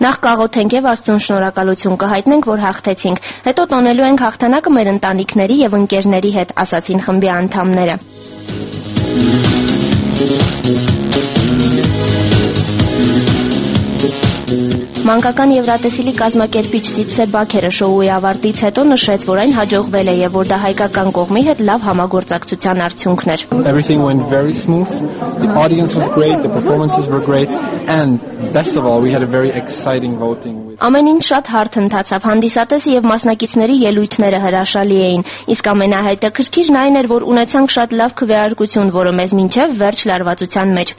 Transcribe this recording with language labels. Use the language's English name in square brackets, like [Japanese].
[Armenian] Նախ կաղոթենք եւ Աստծուն շնորհակալություն կհայտնենք, որ հաղթեցինք։ Հետո տոնելու ենք հաղթանակը մեր ընտանիքների եւ ընկերների հետ, ասացին խմբի անդամները։ Մանկական Եվրատեսիլի կազմակերպիչ Սիցե Բաքերը շոուի ավարտից հետո նշեց, որ այն հաջողվել է եւ որ դա հայկական կողմի հետ լավ համագործակցության արդյունքն էր։ [English] Everything went very smooth. The audience was great, the performances were great, and best of all, we had a very exciting voting. [Armenian] Ամեն ինչ շատ հարթ ընթացավ, հանդիսատեսը եւ մասնակիցների ելույթները հրաշալի էին, իսկ ամենահետաքրքիրն այն էր, որ ունեցանք շատ լավ քվեարկություն, որը մեզ մինչեւ վերջ լարվածության մեջ